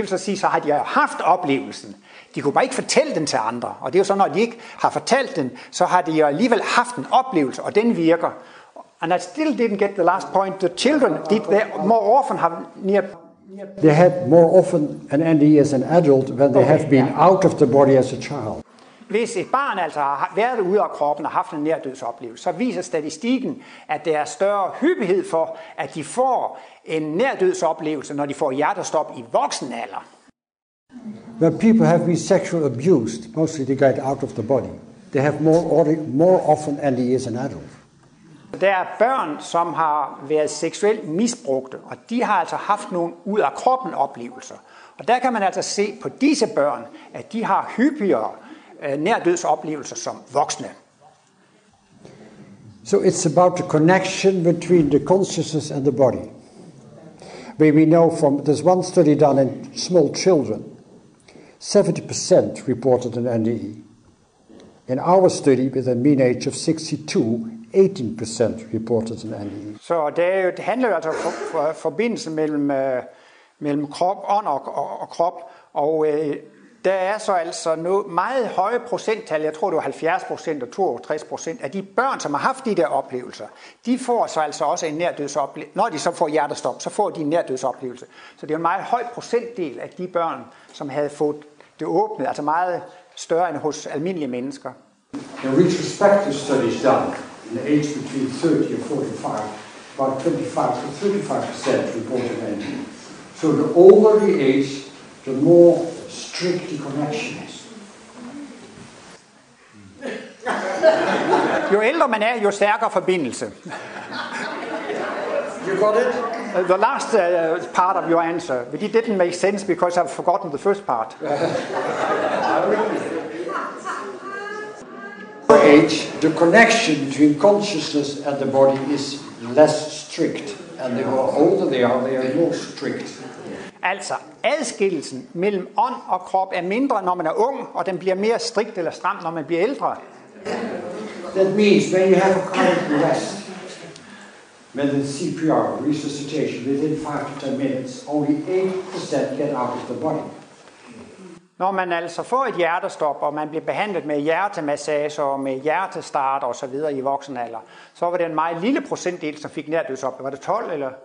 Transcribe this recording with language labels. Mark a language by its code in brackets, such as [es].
[da] Det vil så sige, så har de haft oplevelsen. De kunne bare ikke fortælle den til andre. Og det er jo så, når de ikke har fortalt den, så har de alligevel haft en oplevelse, og den virker. [en] And I still didn't get the last point. The children did they more often have near... They had more often an NDE as an adult when they have been out of the body as a child. [da] Hvis et barn altså har været ude af kroppen og haft en nærdødsoplevelse, så viser statistikken, at der er større hyppighed for, at de får en nærdødsoplevelse, når de får hjertestop i voksen alder. [en] When people have been sexually abused, mostly they get out of the body. They have more often NDE as an adult. [da] Der er børn, som har været seksuelt misbrugte, og de har altså haft nogle ud af kroppen oplevelser. Og der kan man altså se på disse børn, at de har hyppigere nærdødsoplevelser som voksne. [en] So it's about the connection between the consciousness and the body. We know from there's one study done in small children. 70% reported an NDE. In our study, with a mean age of 62, 18% reported an NDE. [da] Så det handler jo altså om forbindelsen mellem mellem krop, ånd og krop. Og der er så altså noget meget høje procenttal, jeg tror det var 70% og 62% af de børn, som har haft de der oplevelser, de får så altså også en nærdødsoplevelse. Når de så får hjertestop, så får de en nærdødsoplevelse. Så det er en meget høj procentdel af de børn, som havde fået det åbnet, altså meget større end hos almindelige mennesker. [en] The retrospective studies done in the age between 30 and 45, about 25 to 35% reported end. So the older the age, the more strict the connection is. [da] Jo ældre man er, jo stærkere forbindelse. [en] You got it? The last part of your answer, but it didn't make sense because I've forgotten the first part. Age, the connection between consciousness and the body is less strict, and the older they are more strict. [da] Altså, adskillelsen mellem ånd og krop er mindre, når man er ung, og den bliver mere strikt eller stram, når man bliver ældre. [en] That means when you have a kind of rest, with the CPR, resuscitation, within 5 to 10 minutes, only 8% get out of the body. [da] Når man altså får et hjertestop, og man bliver behandlet med hjertemassager og med hjertestart og så videre i voksenalder, så var det en meget lille procentdel, som fik nærdødsop. Var det 12 eller?